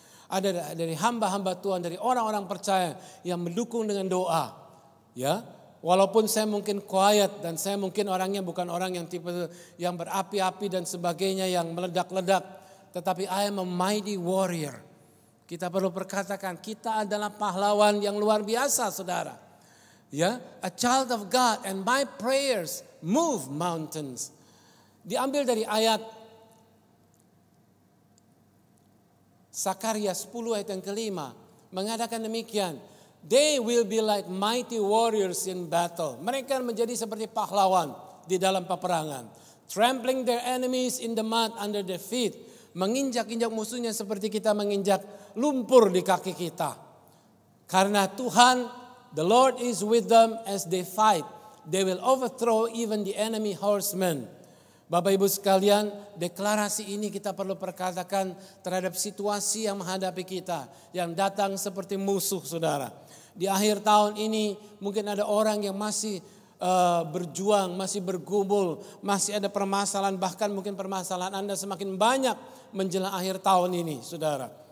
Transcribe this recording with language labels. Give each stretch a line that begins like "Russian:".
Indonesian: Ada dari hamba-hamba Tuhan, dari orang-orang percaya yang mendukung dengan doa. Ya, walaupun saya mungkin quiet dan saya mungkin orangnya bukan orang yang tipe yang berapi-api dan sebagainya yang meledak-ledak. Tetapi
English: I am a mighty warrior.
Indonesian: Kita perlu perkatakan kita adalah pahlawan yang luar biasa, saudara.
English: Ya, a child of God and my prayers move mountains.
Indonesian: Diambil dari ayat Zakaria 10 ayat yang kelima. Mengatakan demikian.
English: They will be like mighty warriors in battle.
Indonesian: Mereka menjadi seperti pahlawan di dalam peperangan.
English: Trampling their enemies in the mud under their feet.
Indonesian: Menginjak-injak musuhnya seperti kita menginjak lumpur di kaki kita. Karena Tuhan,
English: the Lord is with them as they fight. They will overthrow even the enemy horsemen.
Indonesian: Bapak Ibu sekalian, deklarasi ini kita perlu perkatakan terhadap situasi yang menghadapi kita, yang datang seperti musuh, saudara. Di akhir tahun ini mungkin ada orang yang masih berjuang, masih bergumul, masih ada permasalahan, bahkan mungkin permasalahan Anda semakin banyak menjelang akhir tahun ini, saudara.